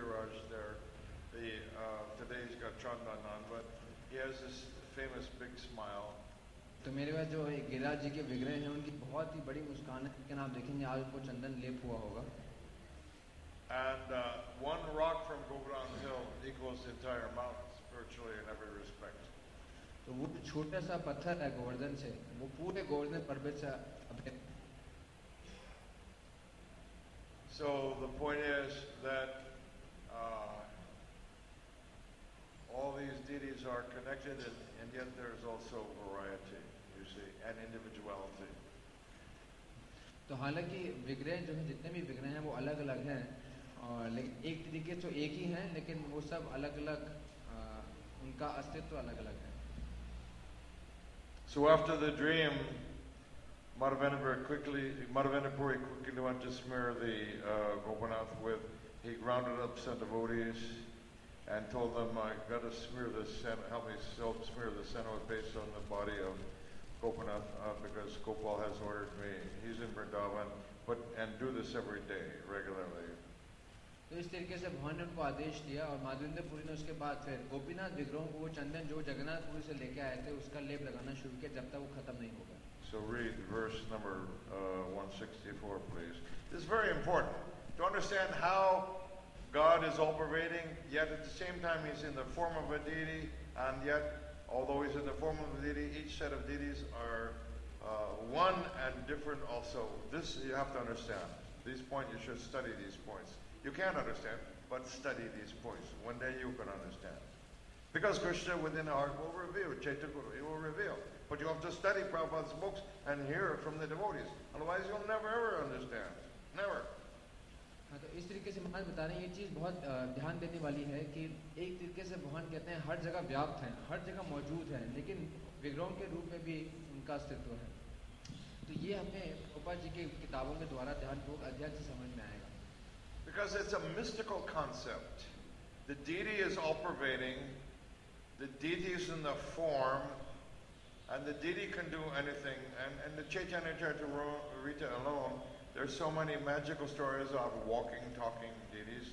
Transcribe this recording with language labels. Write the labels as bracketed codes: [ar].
[en] Today he's got Chandan on, but he has this famous big smile. [hi] तो मेरे पास जो गिरिराज जी के विग्रह हैं उनकी बहुत ही बड़ी मुस्कान है, लेकिन आप देखेंगे आज उनको चंदन लेप हुआ होगा. [en] And one rock from Govardhan Hill equals the entire mountain spiritually in every respect. [hi] तो वो छोटा सा पत्थर है गोवर्धन से, वो पूरे गोवर्धन पर्वत से अभिन्न. [en] So the point is that all these deities are connected and yet there is also variety, you see, and individuality. [hi] तो हालांकि विग्रह जो है जितने भी विग्रह हैं वो अलग अलग हैं और एक तरीके से एक ही हैं, लेकिन वो सब अलग अलग, उनका अस्तित्व अलग अलग है. [en] So after the dream, Marvanapuri quickly went to smear the Gopinath with, he rounded up some devotees and told them, I gotta smear this sand, help me soap, smear the sand with paste on the body of Gopinath because Gopal has ordered me. He's in Vrindavan, but and do this every day, regularly. [hi] तो इस तरीके से भगवान ने उनको आदेश दिया और माधवेंद्रपुरी ने उसके बाद फिर गोपीनाथ विग्रहों को वो चंदन जो जगन्नाथपुरी से लेके आए थे उसका लेप लगाना शुरू किया जब तक वो खत्म नहीं होगा. [en] So read verse number 164, please. This is very important to understand how God is all pervading, yet at the same time he's in the form of a deity, and yet although he's in the form of a deity, each set of deities are one and different also. This you have to understand. These points, you should study these points. You can't understand, but study these points. One day you can understand. Because Krishna within the heart will reveal, Chaitanya Guru, he will reveal. But you have to study Prabhupada's books and hear from the devotees. Otherwise you'll never ever understand. Never. [hi] हाँ तो इस तरीके से महाराज बता रहे हैं ये चीज़ बहुत ध्यान देने वाली है कि एक तरीके से भगवान कहते हैं हर जगह व्याप्त हैं हर जगह मौजूद हैं लेकिन विग्रह के रूप में भी उनका अस्तित्व है तो ये हमें उपा जी के किताबों के द्वारा ध्यानपूर्वक अध्ययन से समझ में आएगा [en] Because it's a mystical concept. The deity is all pervading. The deity is in the form. And the deity can do anything. And the Chaitanya Charitamrita alone, there's so many magical stories of walking, talking deities.